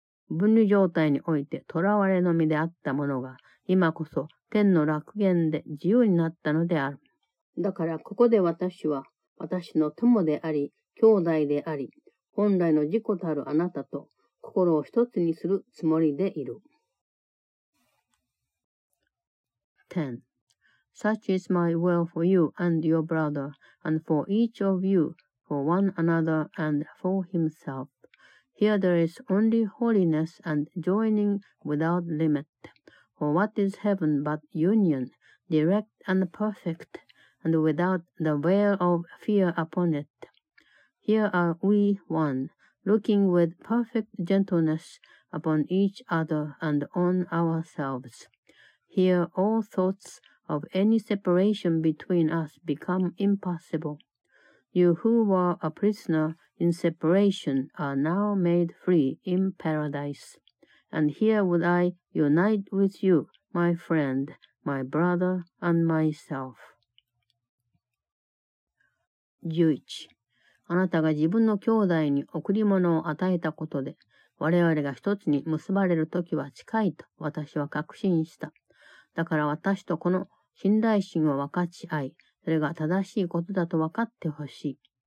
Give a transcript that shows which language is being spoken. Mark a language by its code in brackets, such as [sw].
[ja] 分離状態において囚われの身であったものが、今こそ天の楽園で自由になったのである。だからここで私は、私の友であり、兄弟であり、本来の自己たるあなたと心を一つにするつもりでいる。 10. [en] Such is my will for you and your brother, and for each of you, for one another and for himself. Here there is only holiness and joining without limit. For what is heaven but union, direct and perfect, and without the veil of fear upon it? Here are we one, looking with perfect gentleness upon each other and on ourselves. Here all thoughts of any separation between us become impossible. You who were a prisoner in separation are now made free in paradise. And here would I unite with you, my friend, my brother, and myself. 11. [ja] あなたが自分の兄弟に贈り物を与えたことで、我々が一つに結ばれる時は近いと私は確信した。だから私とこの信頼心を分かち合い、それが正しいことだと分かってほしい。